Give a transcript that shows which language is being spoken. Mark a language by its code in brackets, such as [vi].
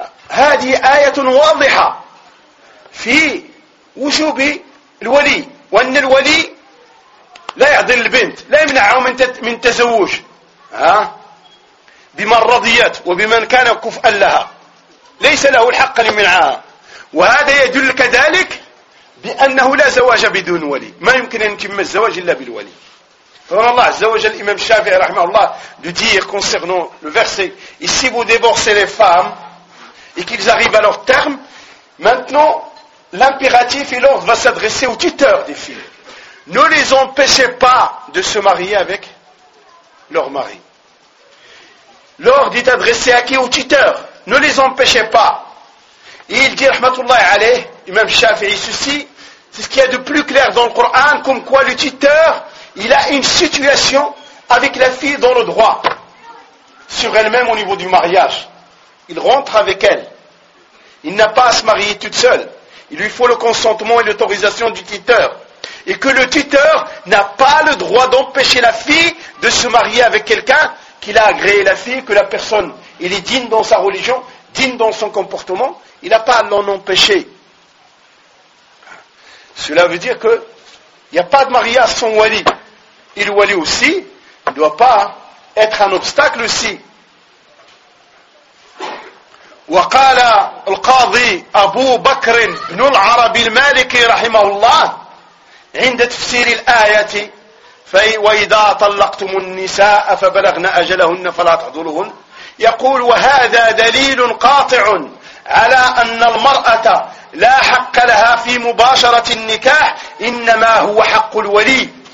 [ar] هذه آية واضحة في وجوب الولي وأن الولي لا يعضل البنت لا يمنعه من تزوج ها بمن رضيت وبمن كان كفءا لها ليس له الحق لمنعها وهذا يدل كذلك بأنه لا زواج بدون ولي ما يمكن أن يتم الزواج إلا بالولي فمن الله عز وجل الإمام الشافعي رحمه الله لديه [fr] concernant le verset ici vous divorcez les femmes et qu'ils arrivent à leur terme maintenant l'impératif et l'ordre va s'adresser aux tuteurs des filles ne les empêchez pas de se marier avec leur mari. L'ordre est adressé à qui? Aux tuteurs. Ne les empêchez pas. Et il dit, rahmatullahi alayh, Imam Shafi'i, ceci, c'est ce qu'il y a de plus clair dans le Coran, comme quoi le tuteur, il a une situation avec la fille dans le droit, sur elle-même au niveau du mariage. Il rentre avec elle. Il n'a pas à se marier toute seule. Il lui faut le consentement et l'autorisation du tuteur. Et que le tuteur n'a pas le droit d'empêcher la fille de se marier avec quelqu'un qu'il a agréé la fille, que la personne, il est digne dans sa religion, digne dans son comportement, il n'a pas à l'en empêcher. Cela veut dire que il n'y a pas de mariage sans wali. Et le wali aussi, il ne doit pas être un obstacle aussi. [ar] Wa qala al-qadi Abu Bakr ibn al-Arabi al-Maliki rahimahullah, عند تفسير الآية وإذا طلقتم النساء فبلغن أجلهن فلا تعضلوهن يقول وهذا دليل قاطع على أن المرأة لا حق لها في مباشرة النكاح إنما هو حق الولي